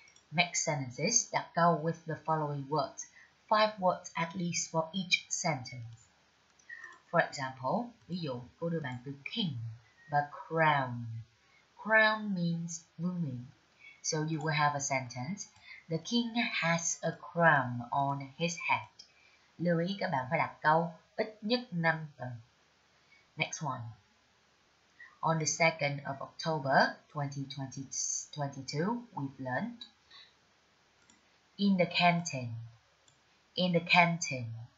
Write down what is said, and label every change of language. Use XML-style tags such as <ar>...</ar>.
<en>Make sentences that go with the following words. Five words at least for each sentence. For example,</en> <vi>ví dụ, cô đưa bạn từ king và crown.</vi> <en>Crown means ruling. So you will have a sentence. The king has a crown on his head.</en> <vi>Lưu ý các bạn phải đặt câu ít nhất 5 tuần.</vi> <en>Next one. On the 2nd of October 2022, we've learned. In the canteen. In the canteen.</en>